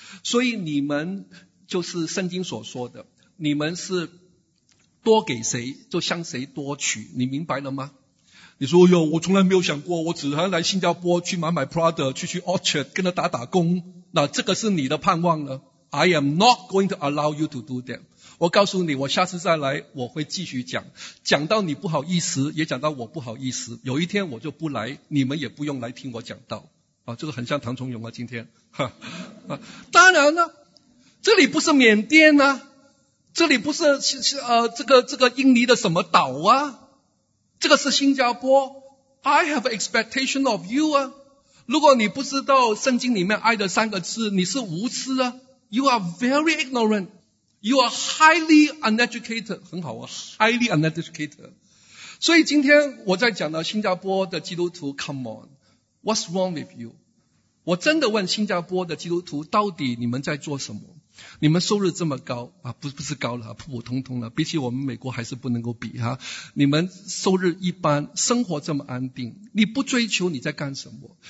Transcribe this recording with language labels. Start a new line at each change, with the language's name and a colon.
Chinese: 所以你们就是圣经所说的，你们是多给谁就向谁多取，你明白了吗？你说哟，我从来没有想过，我只能来新加坡去买买 Prada， 去 Orchard 跟他打打工，那这个是你的盼望了。
English: I am not going to allow you to do that。
Chinese: 我告诉你，我下次再来我会继续讲，讲到你不好意思，也讲到我不好意思，有一天我就不来，你们也不用来听我讲道啊，这个很像唐崇荣啊，今天当然了，这里不是缅甸啊，这里不是这个印尼的什么岛啊，这个是新加坡。
English: I have expectation of you
Chinese: 啊，如果你不知道圣经里面爱的三个字，你是无知啊。
English: You are very ignorant. You are highly uneducated.
Chinese: 很好啊，
English: highly uneducated.
Chinese: 所以今天我在讲到新加坡的基督徒，
English: come on, what's wrong with you?
Chinese: 我真的问新加坡的基督徒，到底你们在做什么？你们收入这么高啊，不是高了，普普通通了，比起我们美国还是不能够比哈。你们收入一般，生活这么安定，你不追求你在干什么？